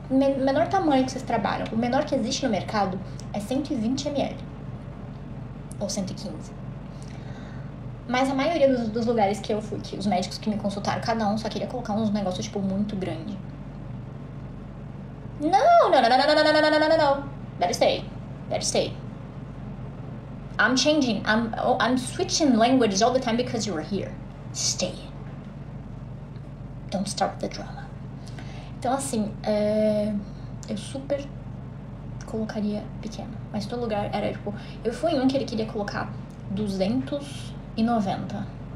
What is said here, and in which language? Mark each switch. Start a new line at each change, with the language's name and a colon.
Portuguese: menor tamanho que vocês trabalham, o menor que existe no mercado é 120 ml. Ou 115. Mas a maioria dos lugares que eu fui, que os médicos que me consultaram, cada um só queria colocar uns negócios, tipo, muito grande. Não, não, não, não, não, não, não, não, não, não, não.
English: Better stay. Better stay. I'm changing. I'm switching language all the time because you are here. Stay. Don't start the drama.
Portuguese: Então, assim, eu super colocaria pequeno. Mas todo lugar era tipo. Eu fui em um que ele queria colocar 290.